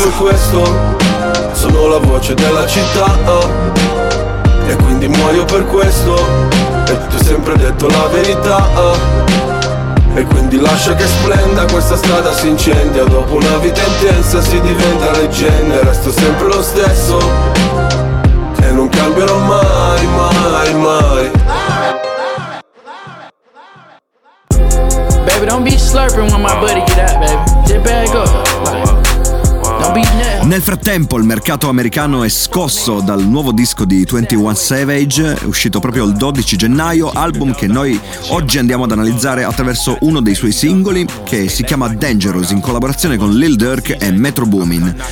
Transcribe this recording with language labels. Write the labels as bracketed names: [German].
[Italian] Sono nato per questo, sono la voce della città, e quindi muoio per questo, e tu hai sempre detto la verità, e quindi lascia che splenda, questa strada si incendia. Dopo una vita intensa si diventa leggenda, resto sempre lo stesso, e non cambierò mai, mai, mai. [English] Baby, don't be slurping when my buddy get out, baby. Dip back up. [Italian] Nel frattempo il mercato americano è scosso dal nuovo disco di 21 Savage, uscito proprio il 12 gennaio, album che noi oggi andiamo ad analizzare attraverso uno dei suoi singoli, che si chiama Dangerous, in collaborazione con Lil Durk e Metro Boomin.